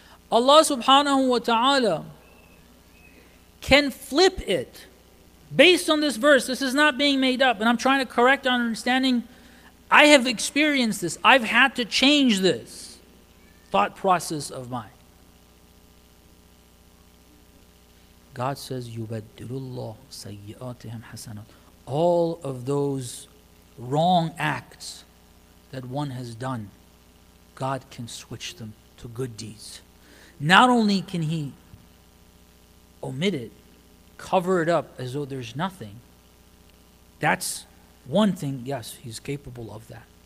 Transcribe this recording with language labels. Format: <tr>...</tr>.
<en>Allah subhanahu wa ta'ala can flip it based on this verse. This is not being made up, and I'm trying to correct our understanding. I have experienced this. I've had to change this thought process of mine. God says,</en> <ar>يُبَدِّلُ اللَّهُ سَيِّئَاتِهِمْ حَسَنَاتٍ.</ar> <en>All of those wrong acts that one has done, God can switch them to good deeds. Not only can He omit it, cover it up as though there's nothing, that's one thing, yes, He's capable of that.</en>